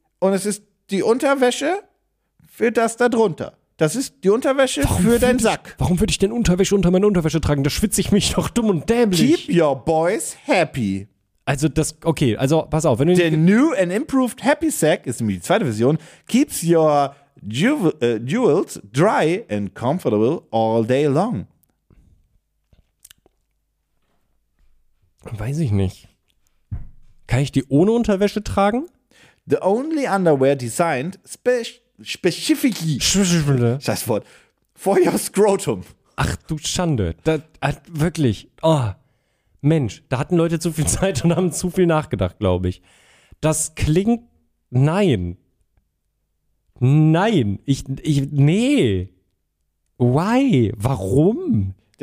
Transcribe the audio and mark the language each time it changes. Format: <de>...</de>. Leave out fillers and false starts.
<de>Und es ist die Unterwäsche für das da drunter. Das ist die Unterwäsche für deinen Sack. Warum würde ich denn Unterwäsche unter meine Unterwäsche tragen? Da schwitze ich mich doch dumm und dämlich.</de> <en>Keep your boys happy.</en> <de>Also das, okay, also pass auf.</de> <en>The new and improved Happy Sack,</en> <de>ist nämlich die zweite Version,</de> <en>keeps your... Jewels dry and comfortable all day long.</en> <de>Weiß ich nicht. Kann ich die ohne Unterwäsche tragen?</de> <en>The only underwear designed specifically</en> <de>Scheiß Wort.</de> <en>For your scrotum.</en> <de>Ach du Schande. Wirklich. Oh. Mensch, da hatten Leute zu viel Zeit und haben zu viel nachgedacht, glaube ich. Das klingt, nein. Nein, ich, nee. Why? Warum?</de>